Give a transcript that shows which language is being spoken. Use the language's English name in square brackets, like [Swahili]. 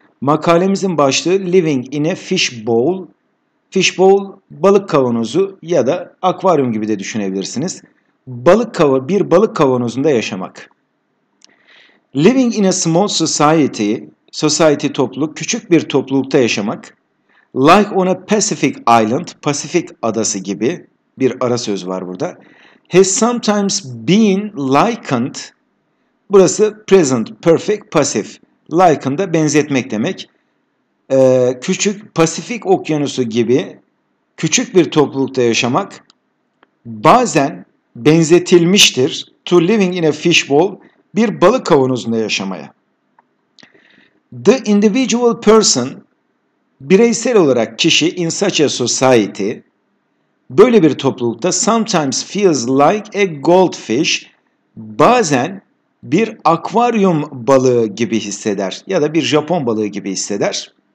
[Turkish] Makalemizin başlığı Living in a Fishbowl. Fishbowl balık kavanozu ya da akvaryum gibi de düşünebilirsiniz. Bir balık kavanozunda yaşamak. [English] Living in a small society, [Turkish] society topluluk, küçük bir toplulukta yaşamak. [English] Like on a Pacific island, [Turkish] Pasifik adası gibi bir ara söz var burada. [English] Has sometimes been likened, burası present, perfect, passive. [Turkish] Likened da benzetmek demek. Küçük Pasifik okyanusu gibi küçük bir toplulukta yaşamak bazen benzetilmiştir [English] to living in a fishbowl, [Turkish] bir balık kavanozunda yaşamaya. [English] The individual person, [Turkish] bireysel olarak kişi, [English] in such a society, [Turkish] böyle bir toplulukta, [English] sometimes feels like a goldfish, [Turkish] bazen bir akvaryum balığı gibi hisseder ya da bir Japon balığı gibi hisseder.